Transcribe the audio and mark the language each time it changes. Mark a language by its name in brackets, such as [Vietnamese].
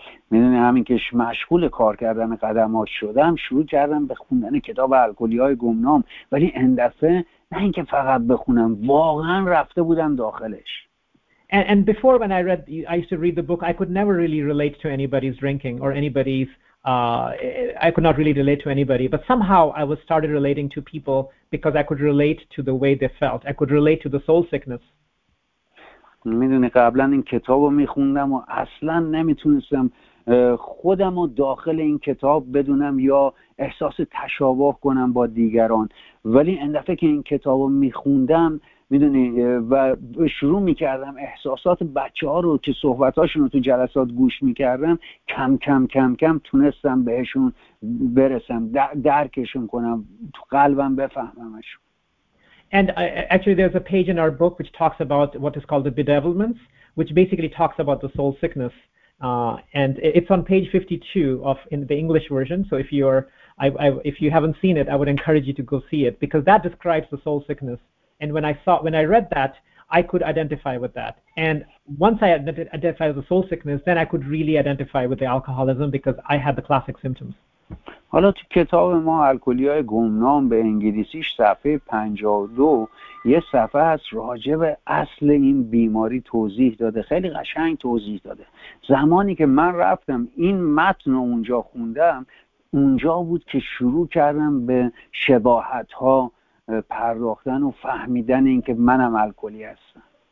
[Persian] میدونی همین که مشغول کار کردن قدمات شدم، شروع کردم به خوندن کتاب الکلی های گمنام، ولی اندفعه نه اینکه فقط بخونم، واقعا رفته بودم داخلش. [English] And before when I used to read the book, I could never really relate to anybody's drinking or anybody's, I could not really relate to anybody. But somehow I was started relating to people because I could relate to the way they felt. I could relate to the soul sickness. [Persian] میدونی قبلا این کتاب رو میخوندم و اصلا نمیتونستم خودم رو داخل این کتاب بدونم یا احساس تشابه کنم با دیگران. ولی اندفعه که این کتاب رو میخوندم، میدونی، و شروع میکردم احساسات بچه ها رو که صحبت هاشون رو تو جلسات گوش میکردم، کم کم کم کم تونستم بهشون برسم، درکشون کنم، تو قلبم بفهممشون. [English] And actually there's a page in our book which talks about what is called the bedevilments, which basically talks about the soul sickness. And it's on page 52 of in the English version. So if you haven't seen it, I would encourage you to go see it because that describes the soul sickness. And when I read that, I could identify with that. And once I identified with the soul sickness, then I could really identify with the alcoholism because I had the classic symptoms. [Persian] حالا تو کتاب ما الکلی‌های گمنام به انگلیسیش صفحه 52 یه صفحه هست راجع به اصل این بیماری توضیح داده، خیلی قشنگ توضیح داده. زمانی که من رفتم این متن رو اونجا خوندم، اونجا بود که شروع کردم به شباهت‌ها پرداختن و فهمیدن اینکه منم الکلی هستم.